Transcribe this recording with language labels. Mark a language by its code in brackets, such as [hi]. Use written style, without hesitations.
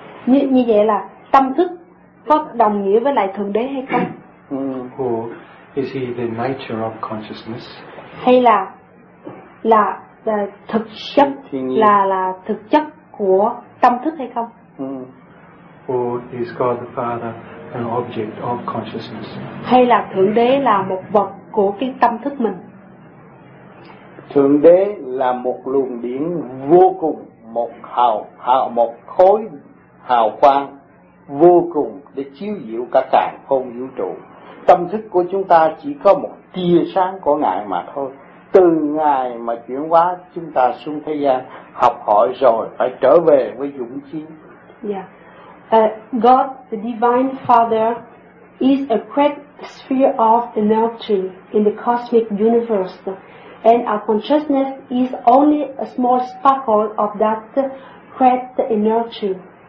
[vi] Như vậy là tâm thức có đồng nghĩa với lại Thượng Đế hay không? [en] Or is he the nature of consciousness? [vi] Hay là thực chất là thực chất của tâm thức hay không? [en] Or is God the Father an object of consciousness? [vi] Hay là Thượng Đế là một vật của cái tâm thức mình? Thượng Đế là một luồng điển vô cùng, một khối hào quang vô cùng để chiếu diệu cả càn khôn vũ trụ. Tâm thức của chúng ta chỉ có một tia sáng của Ngài mà thôi. Từ ngày mà chuyển hóa chúng ta xuống thế gian học hỏi rồi phải trở về với dũng khí. Yeah. [en] God, the Divine Father, is a great sphere of energy in the cosmic universe, and our consciousness is only a small sparkle of that great energy.